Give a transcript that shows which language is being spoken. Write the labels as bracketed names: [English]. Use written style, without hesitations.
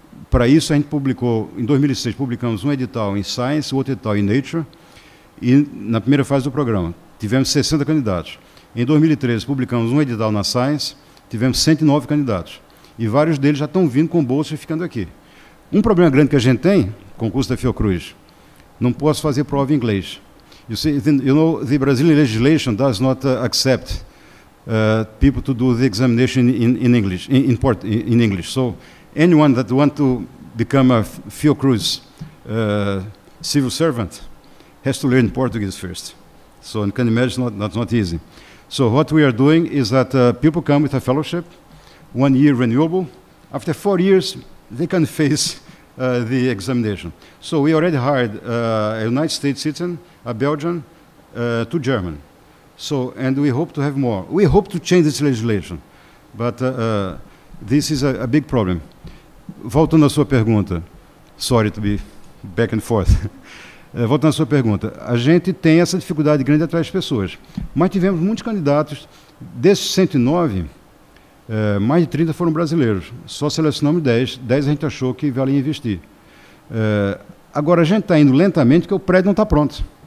[Portuguese] Para isso, a gente publicou, em 2006, publicamos um edital em Science, outro edital em Nature, e na primeira fase do programa. Tivemos 60 candidatos. Em 2013, publicamos um edital na Science, tivemos 109 candidatos. E vários deles já estão vindo com bolsa e ficando aqui. Um problema grande que a gente tem, concurso da Fiocruz, não posso fazer prova em inglês. [English] You see, you know, the Brazilian legislation does not accept people to do the examination in English, in English. So, anyone that wants to become a Fiocruz civil servant has to learn Portuguese first. So you can imagine that's not easy. So what we are doing is that people come with a fellowship, 1 year renewable. After 4 years, they can face the examination. So we already hired a United States citizen, a Belgian, two German. So, and we hope to have more. We hope to change this legislation, but this is a big problem. [Portuguese] Voltando à sua pergunta, [English] sorry to be back and forth. [Portuguese] Voltando à sua pergunta, a gente tem essa dificuldade grande de atrair as pessoas, mas tivemos muitos candidatos. Desses 109, mais de 30 foram brasileiros. Só selecionamos 10. 10 a gente achou que valia investir. Agora, a gente está indo lentamente porque o prédio não está pronto.